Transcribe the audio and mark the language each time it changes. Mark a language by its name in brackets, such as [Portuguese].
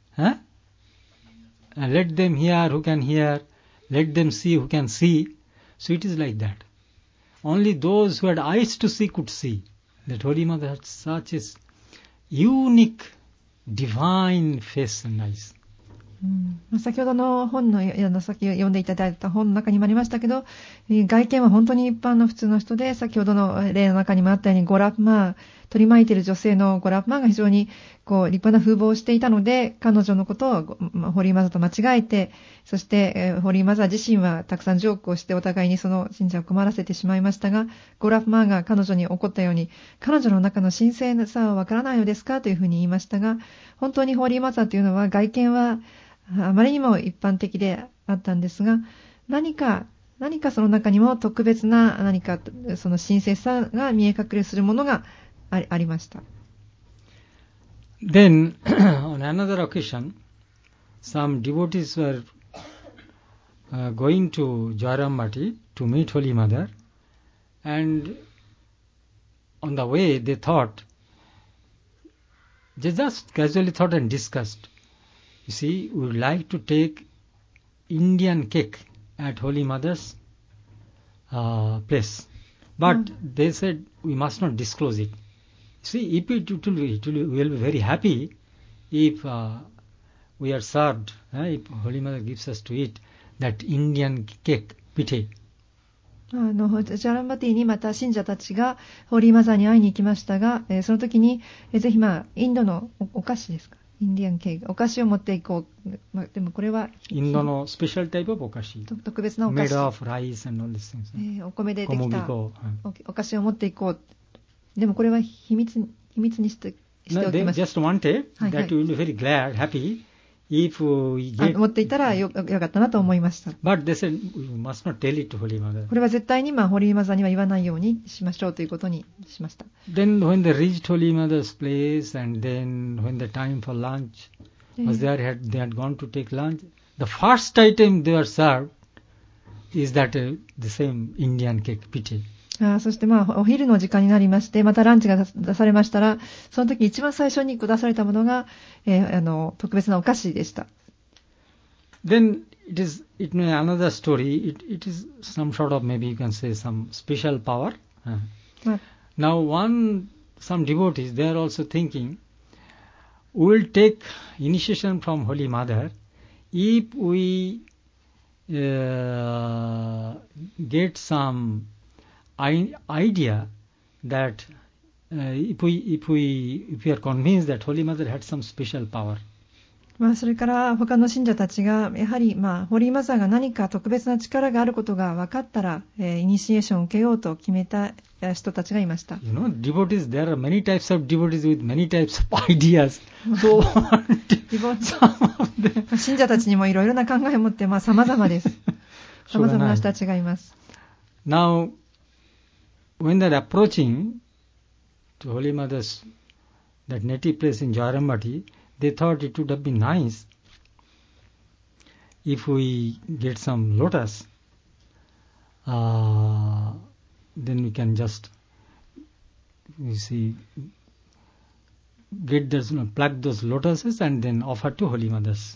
[English] Huh? And let them hear who can hear. Let them see who can see. So it is like that. Only those who had eyes to see could see that Holy Mother had such a unique divine face and eyes. [Japanese] 先ほどの本の先を読んでいただいた本の中にもありましたけど、外見は本当に一般の普通の人で、先ほどの例の中にもあったように、ゴラッマー、取り巻いている女性のゴラッマーが非常にこう立派な風貌をしていたので、彼女のことをホーリーマザーと間違えて、そしてホーリーマザー自身はたくさんジョークをして、お互いにその信者を困らせてしまいましたが、ゴラッマーが彼女に怒ったように、彼女の中の神聖さはわからないのですかというふうに言いましたが、本当にホーリーマザーというのは外見は、あまりにも一般的であったんですが、何かその中にも特別な何かその神聖さが見え隠れするものがありました。 [English] Then, on another occasion, some devotees were going to Jwaramati to meet Holy Mother, and on the way they thought, they just casually thought and discussed. You see, we would like to take Indian cake at Holy Mother's place. But they said, we must not disclose it. See, if it will be very happy if we are served, if Holy Mother gives us to eat that Indian cake, pite. [Japanese] ジャランバティにまた信者たちがホーリーマザーに会いに行きましたが、その時に、ぜひ、インドのお菓子ですか? インディアン系お菓子を持っていこう、まあ、でもこれはインドのスペシャルタイプのお菓子、特別なお菓子、 [English] made of rice and all these things、 [Japanese] お米でできたお菓子を持っていこう、でもこれは秘密にしておきます。 [English] They just wanted that you will be very glad, happy if we get. [Japanese] 持っていたらよかったなと思いました。 [English] But they said we must not tell it to Holy Mother. [Japanese] これは絶対にホーリーマザーには言わないようにしましょうということにしました。 [English] Then when they reached Holy Mother's place and then when the time for lunch was there, they had gone to take lunch. The first item they were served is that the same Indian cake, pite. [Japanese] そしてお昼の時間になりまして、またランチが出されましたら、その時一番最初に出されたものが、特別なお菓子でした。 [English] Then it may be another story. It is some sort of maybe you can say some special power.、Now some devotees, they are also thinking, we will take initiation from Holy Mother if we get some. Idea that if we are convinced that Holy Mother had some special power. [Japanese] まあ、それから他の信者たちがやはり、まあ、ホーリーマザーが何か特別な力があることが分かったら、イニシエーションを受けようと決めた人たちがいました。 [English] You know, devotees, there are many types of devotees with many types of ideas. So, some of them. [Japanese] 信者たちにもいろいろな考えを持って、まあ、様々です。様々な人たちがいます。 [English] Now, when they're approaching to Holy Mother's that native place in Jaramati, they thought it would have been nice if we get some lotus. Then we can just, you see, get those, pluck those lotuses and then offer to Holy Mother's